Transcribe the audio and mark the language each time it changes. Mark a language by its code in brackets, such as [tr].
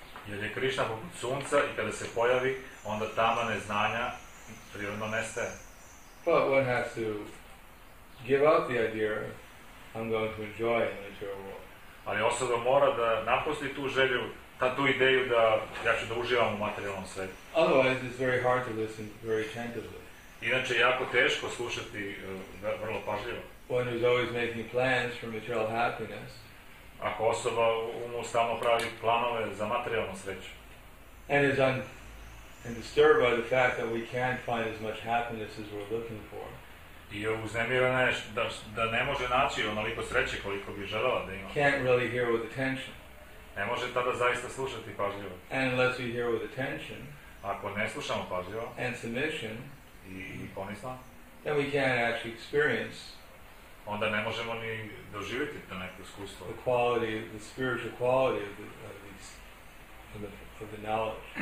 [sr] Jer je Krishna poput sunca i kada se pojavi, onda tama neznanja prirodno nestaje. [en] But one has to give up the idea I'm going to enjoy in the material world. [sr] Ali osoba mora da napusti tu želju, tu ideju da ja ću da uživam u materijalnom svijetu. [en] Otherwise it's very hard to listen very attentively. [sr] Inače je jako teško slušati vrlo pažljivo. [en] One who's always making plans for material happiness. [sr] Ako osoba umu stalno pravi planove za materijalnu sreću. [en] And disturbed by the fact that we can't find as much happiness as we're looking for. [sr] I uznemirena je da ne može naći onoliko sreće koliko bi želela da ima. [en] Can't really hear with attention. [sr] Ne može tada zaista slušati pažljivo. [en] And unless we hear with attention. [sr] Ako ne slušamo pažljivo. [en] And submission. [sr] I ponisla. [en] Then we can't actually experience [sr] onda ne možemo ni doživjeti to neko iskustvo. [en] The quality, the spiritual quality of, the, of these, of the knowledge.